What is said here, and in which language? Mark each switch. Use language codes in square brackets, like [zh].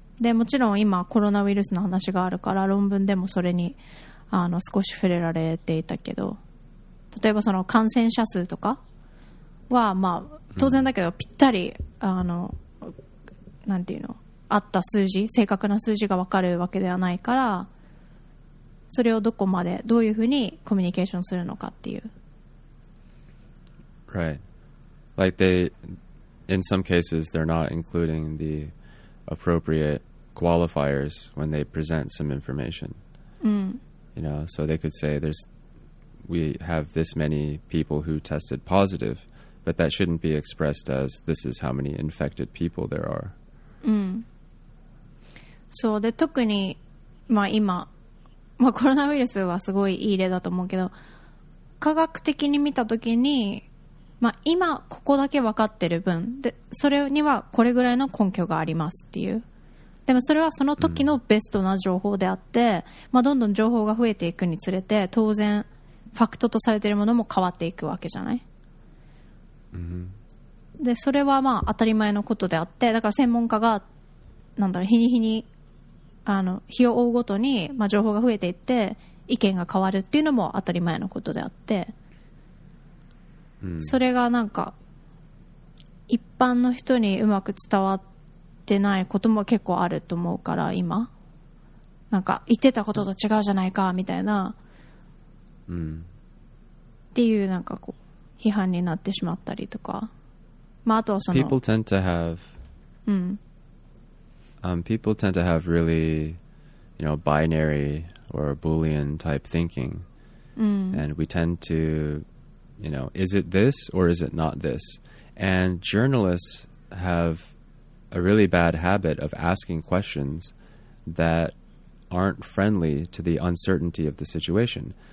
[ja] でもちろん今コロナウイルスの話があるから論文でもそれに少し触れられていたけど、例えばその感染者数とかはまあ当然だけどぴったり、うん、なんていうのあった数字、正確な数字が分かるわけではないから、それをどこまでどういうふうにコミュニケーションするのかっていう。 [en] Right. Like they, in some cases, they're not including the appropriate qualifiers when they present some information.、 Mm. You know, so they could say there's, we have this many people who tested positive, but that shouldn't be expressed as this is how many infected people there are.、 Mm. [ja] そうで特に、まあ、今、まあ、コロナウイルスはすごいいい例だと思うけど、科学的に見たときにまあ、今ここだけ分かってる分でそれにはこれぐらいの根拠がありますっていう、でもそれはその時のベストな情報であって、まあ、どんどん情報が増えていくにつれて当然ファクトとされているものも変わっていくわけじゃない、うん、でそれはまあ当たり前のことであって、だから専門家がなんだろう日に日に日を追うごとに、まあ、情報が増えていって意見が変わるっていうのも当たり前のことであって、それがなんか一般の人にうまく伝わってないことも結構あると思うから、今なんか言ってたことと違うじゃないかみたいな、うん、っていうなんかこう批判になってしまったりとか、まあ、あとはその [en] people tend to have、うん、 people tend to have really you know binary or boolean type thinking、うん、 and we tend toYou know, is it this or is it not this? And journalists have a really bad habit of asking questions that aren't friendly to the uncertainty of the situation.